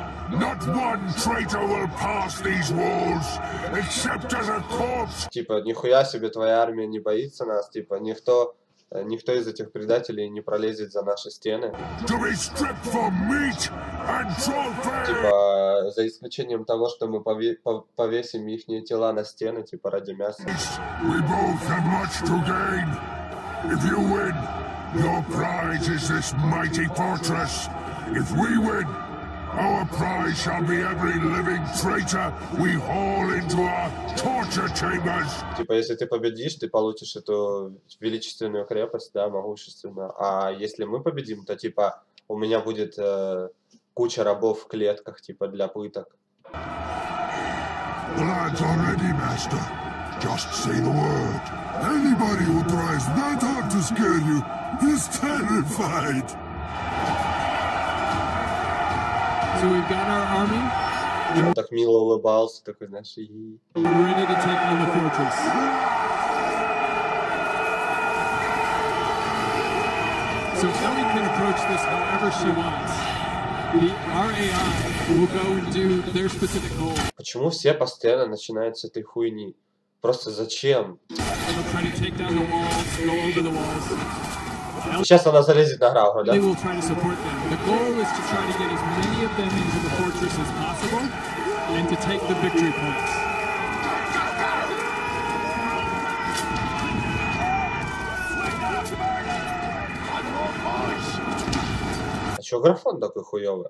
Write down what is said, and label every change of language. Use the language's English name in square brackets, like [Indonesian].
[English] Not one traitor will pass these walls, except as a corpse. [Russian] Типа, нихуя себе, твоя армия не боится нас, типа, никто из этих предателей не пролезет за наши стены. [English] To be stripped for meat and trophy. [Russian] Типа, за исключением того, что мы повесим их тела на стены, типа, ради мяса. [English] We both have much to gain. If you win, your prize is this mighty fortress. If we win, our prize shall be every living traitor we haul into our torture chambers. [Russian] Типа, если ты победишь, ты получишь эту величественную крепость, да, могущественную. А если мы победим, то типа у меня будет куча рабов в клетках, типа для пыток. [English] Well, that's already, master. Just say the word. Anybody who tries that hard to scare you is terrified. So we've got our army. [Russian] Так мило улыбался, такой, знаешь, и... [English] We're ready to take on the fortress. So Ellie can approach this however she wants. Our AI will go and do their specific goal. [Russian] Почему все постоянно начинают с этой хуйни? Просто зачем? Сейчас она залезет на Грауга, да? А чё графон такой хуёвый?